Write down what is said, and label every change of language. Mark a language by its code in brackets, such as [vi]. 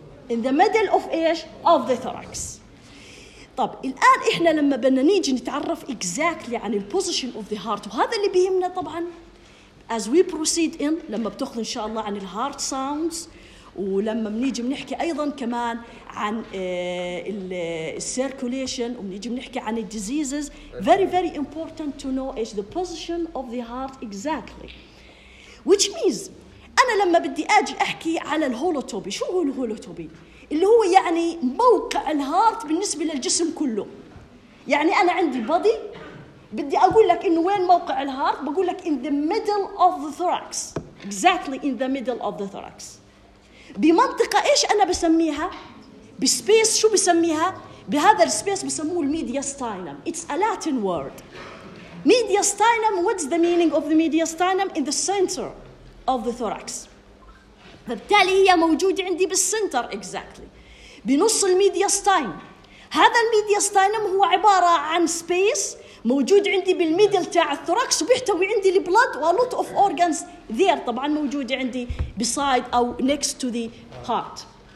[en] In the middle of ايش؟ of the thorax. [ar] طب الآن إحنا لما بدنا نيجي نتعرف exactly عن [en] the position of the heart، [ar] وهذا اللي بيهمنا طبعاً [en] as we proceed in، [ar] لما بتاخذ إن شاء الله عن the heart sounds، ولما بنيجي بنحكي ايضا كمان عن السيركوليشن، وبنيجي بنحكي عن الديزيزز، [en] very very important to know is the position of the heart exactly. Which means [ar] انا لما بدي اجي احكي على الهولوتوبي، شو هو الهولوتوبي؟ اللي هو يعني موقع الهارت بالنسبه للجسم كله. يعني انا عندي بودي، بدي اقول لك انه وين موقع الهارت، بقول لك [en] in the middle of the thorax. Exactly in the middle of the thorax. [ar] بمنطقة إيش أنا بسميها؟ بسبيس، شو بسميها؟ بهذا السبيس بسموه الميدياستاينم. [en] It's a Latin word. [ar] ميدياستاينم. [en] What's the meaning of the mediastinum? In the center of the thorax. [ar] فبالتالي هي موجودة عندي بالcenter exactly. بنص الميدياستاين. هذا الميدياستاينم هو عبارة عن سبيس موجود عندي بالميدل تاع الثوركس، وبيحتوي عندي البلد [en] ولوت of organs there, [ar] طبعا موجود عندي بسايد او [en] Next to the heart.